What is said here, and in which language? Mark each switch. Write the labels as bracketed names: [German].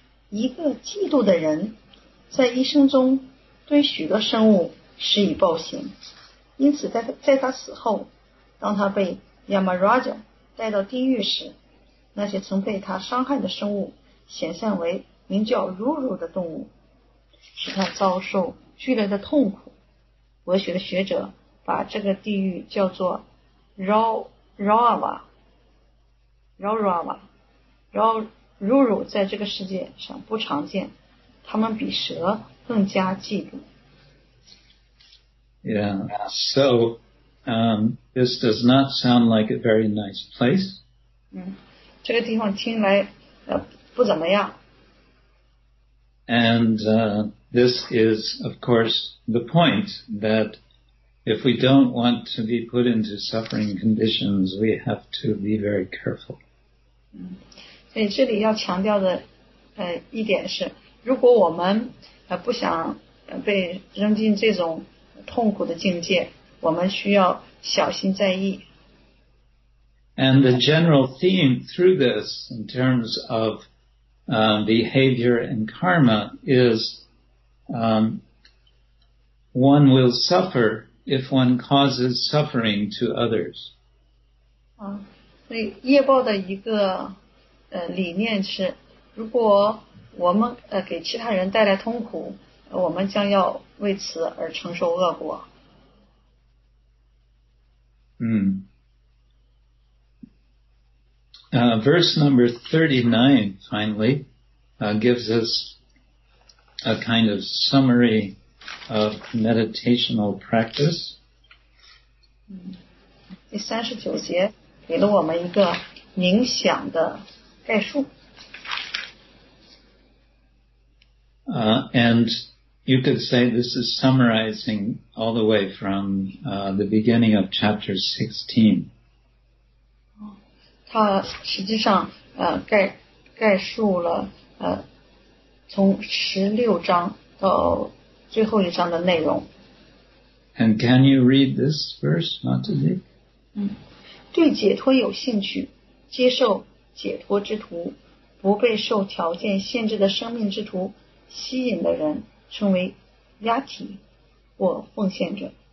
[Chinese] 一个嫉妒的人在一生中对许多生物施以暴行，因此在他死后，当他被 Yamaraja 带到地狱时，那些曾被他伤害的生物显现为名叫如如的动物，使他遭受剧烈的痛苦。文学的学者把这个地狱叫做 Rau Rava如如在这个世界上不常见，他们比蛇更加嫉妒。 [English] Yeah, so, this does not sound like a very nice place. [Chinese] 这个地方听来不怎么样。 [English] And this is, of course, the point that if we don't want to be put into suffering conditions, we have to be very careful. [Chinese] 这里要强调的一点是，如果我们不想被扔进这种痛苦的境界，我们需要小心在意。 [English] And the general theme through this in terms of behavior and karma is one will suffer if one causes suffering to others. [Chinese] 所以业报的一个理念是，如果我们给其他人带来痛苦，我们将要为此而承受恶果。 [English] Verse number 39 finally gives us a kind of summary of meditational practice. [Chinese] 第三十九节给了我们一个冥想的概述。 [English] And you could say this is summarizing all the way from the beginning of chapter 16. [Chinese] 它实际上概述了从16章到最后一章的内容。 [English] And can you read this verse, Matthew? [Chinese] 对解脱有兴趣，接受解脱之途，不被受条件限制的生命之途吸引的人称为亚提或奉献者。